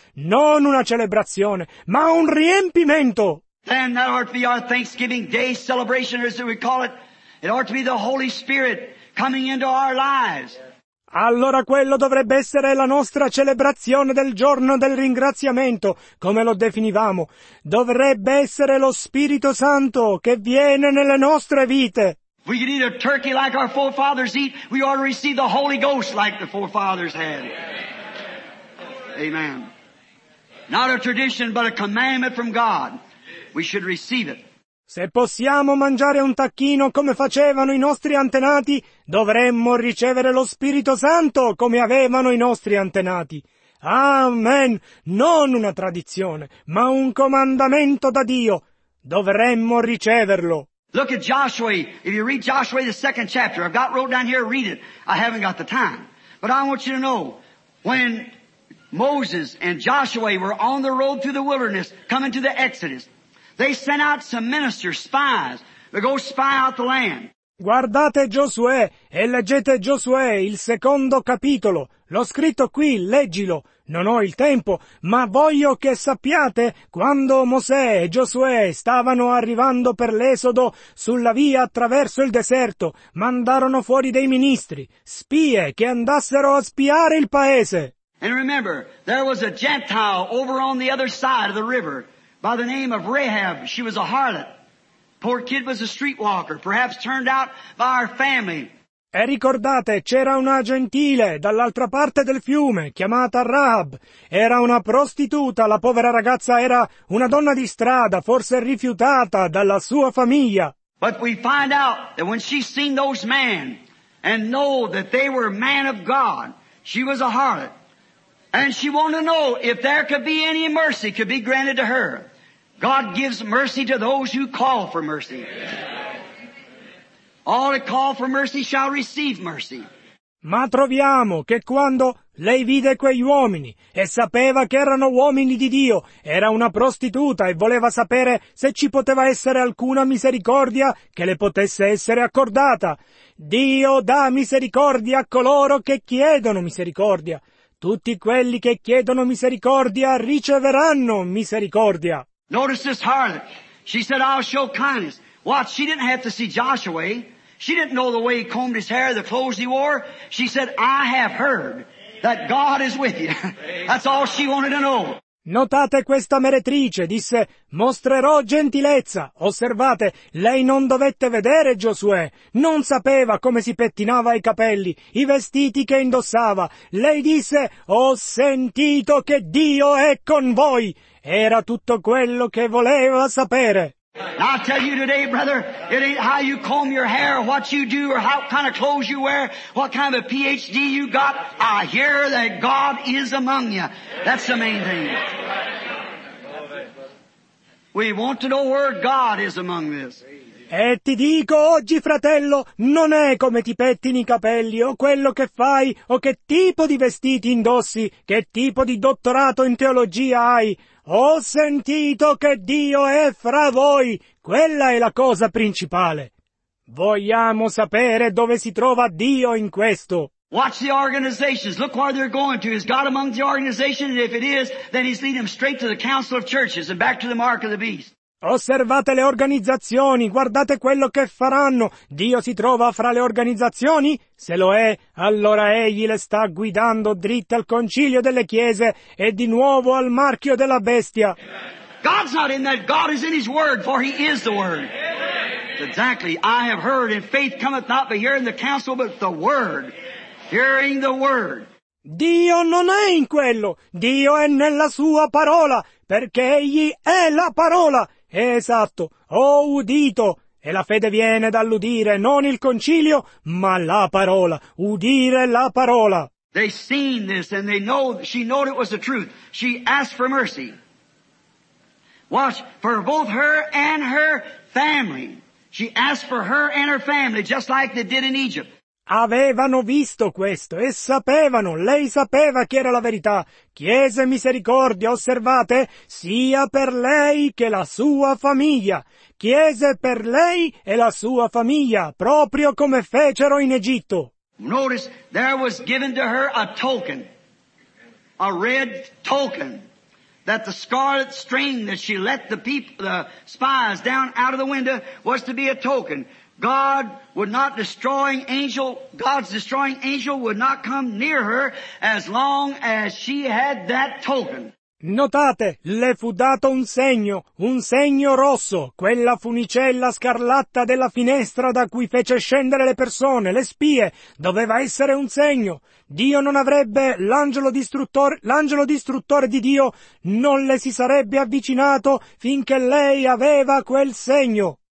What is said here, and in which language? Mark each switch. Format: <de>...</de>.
<it>Non una celebrazione, ma un riempimento.</it> <en>Then that ought to be our Thanksgiving Day celebration, as we call it. It ought to be the Holy Spirit coming into our lives.</en> <it>Allora quello dovrebbe essere la nostra celebrazione del giorno del ringraziamento, come lo definivamo. Dovrebbe essere lo Spirito Santo che viene nelle nostre vite.</it> <en>If we could eat a turkey like our forefathers eat, we ought to receive the Holy Ghost like the forefathers had. Amen. Not a tradition, but a commandment from God. We should receive it.</en> <it>Se possiamo mangiare un tacchino come facevano i nostri antenati, dovremmo ricevere lo Spirito Santo come avevano i nostri antenati. Amen! Non una tradizione, ma un comandamento da Dio. Dovremmo riceverlo.</it> <en>Look at Joshua. If you read Joshua, the second chapter, I've got wrote down here, read it. I haven't got the time. But I want you to know, when Moses and Joshua were on the road through the wilderness, coming to the Exodus, they sent out some ministers, spies, to go spy out the land.</en> <it>Guardate Giosuè e leggete Giosuè, il secondo capitolo. L'ho scritto qui, leggilo. Non ho il tempo, ma voglio che sappiate quando Mosè e Giosuè stavano arrivando per l'esodo sulla via attraverso il deserto, mandarono fuori dei ministri, spie, che andassero a spiare il paese.</it> <en>And remember, there was a Gentile over on the other side of the river by the name of Rahab. She was a harlot. Poor kid was a streetwalker, perhaps turned out by our family.</en> <it>E ricordate, c'era una gentile dall'altra parte del fiume, chiamata Rahab. Era una prostituta, la povera ragazza era una donna di strada, forse rifiutata dalla sua famiglia.</it> <en>But we find out that when she seen those men and know that they were men of God, she was a harlot. And she wanted to know if there could be any mercy could be granted to her. God gives mercy to those who call for mercy. All that call for mercy shall receive mercy.</en> <it>Ma troviamo che quando lei vide quegli uomini e sapeva che erano uomini di Dio, era una prostituta e voleva sapere se ci poteva essere alcuna misericordia che le potesse essere accordata. Dio dà misericordia a coloro che chiedono misericordia. Tutti quelli che chiedono misericordia riceveranno misericordia.</it> <en>Notice this harlot. She said, I'll show kindness. What? She didn't have to see Joshua. She didn't know the way he combed his hair, the clothes he wore. She said, I have heard that God is with you. That's all she wanted to know.</en> <it>Notate questa meretrice, disse, mostrerò gentilezza. Osservate, lei non dovette vedere Giosuè, non sapeva come si pettinava i capelli, i vestiti che indossava. Lei disse, ho sentito che Dio è con voi. Era tutto quello che voleva sapere.</it> <en>I'll tell you today, brother, it ain't how you comb your hair, or what you do, or how kind of clothes you wear, what kind of a PhD you got. I hear that God is among you. That's the main thing. We want to know where God is among this.</en> <it>E ti dico oggi, fratello, non è come ti pettini i capelli, o quello che fai, o che tipo di vestiti indossi, che tipo di dottorato in teologia hai. Ho sentito che Dio è fra voi. Quella è la cosa principale. Vogliamo sapere dove si trova Dio in questo.</it> <en>Watch the organizations. Look where they're going to. Is God among the organization? And if it is, then he's leading them straight to the council of churches and back to the mark of the beast.</en> <it>Osservate le organizzazioni, guardate quello che faranno. Dio si trova fra le organizzazioni? Se lo è, allora egli le sta guidando dritte al concilio delle chiese e di nuovo al marchio della bestia.</it> <en>God's not in that. God is in his word, for he is the word. Exactly. I have heard, and faith cometh not by hearing the counsel, but the word. Hearing the word.</en> <it>Dio non è in quello. Dio è nella sua parola, perché egli è la parola. Esatto, ho udito, e la fede viene dall'udire non il concilio, ma la parola, udire la parola.</it> <en>They seen this and they know, she knowed it was the truth. She asked for mercy. Watch, for both her and her family. She asked for her and her family, just like they did in Egypt.</en> <it>Avevano visto questo e sapevano, lei sapeva che era la verità. Chiese misericordia, osservate, sia per lei che la sua famiglia. Chiese per lei e la sua famiglia, proprio come fecero in Egitto.</it> <en>Notice, there was given to her a token, a red token, that the scarlet string that she let the spies down out of the window was to be a token. God would not destroying angel, God's destroying angel would not come near her as long as she had that token.</en> <it>Notate, le fu dato un segno rosso, quella funicella scarlatta della finestra da cui fece scendere le persone, le spie, doveva essere un segno. Dio non avrebbe, l'angelo distruttore di Dio non le si sarebbe avvicinato finché lei aveva quel segno.</it>